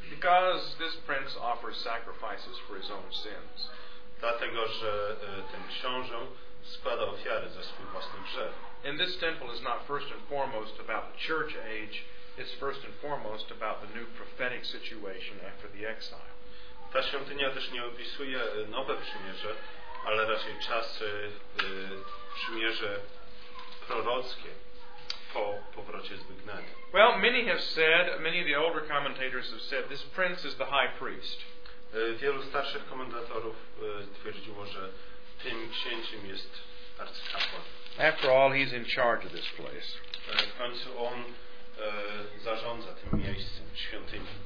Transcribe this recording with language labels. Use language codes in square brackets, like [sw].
[en] Because this prince offers sacrifices for his own sins. [pl] Dlatego, że ten książę składa ofiary za swój własny grzech. [en] And this temple is not first and foremost about the church age. It's first and foremost about the new prophetic situation after the exile. [pl] Ta świątynia też nie opisuje nowe przymierze, ale raczej czasy przymierze prorockie po powrocie z wygnania. [en] Well, many have said, many of the older commentators have said, this prince is the high priest. [pl] Wielu starszych komentatorów twierdziło, że tym księciem jest arcykapłan. [en] After all, he's in charge of this place. [pl] W końcu on zarządza tym miejscem, świątynią.